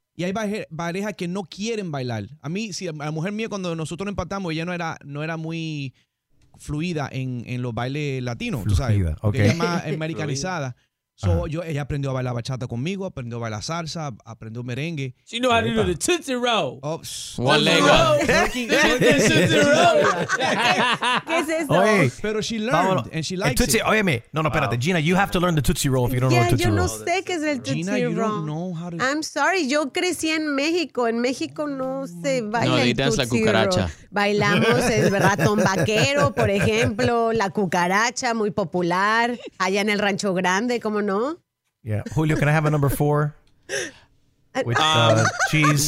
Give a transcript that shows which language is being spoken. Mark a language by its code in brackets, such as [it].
[es] Y hay parejas que no quieren bailar. A mí, sí, a la mujer mía, cuando nosotros empatamos, ella no era muy fluida en los bailes latinos, fluida, tú sabes. Fluida, ok. Ella es más americanizada. So, ella aprendió a bailar bachata conmigo, aprendió a bailar salsa, aprendió merengue. [en] She knows how to do the Tootsie Roll. Oh, one leg up. [es] ¿Qué es eso? Oye, pero [en] she learned, Paolo, and she likes [es] el tootsie, [en] it. [es] Óyeme, no, no, espérate. [en] Gina, you have to learn the Tootsie Roll if you don't know the Tootsie Roll. [es] Yeah, yo no sé qué es el Tootsie Roll. [en] Gina, you don't know how to... I'm sorry, [es] yo crecí en México. En México no se baila el Tootsie Roll. No, la cucaracha. Bailamos el ratón vaquero, por ejemplo, la cucaracha, muy popular, allá en el Rancho Grande, como no. [en] Yeah. Julio, can I have a number four? With cheese.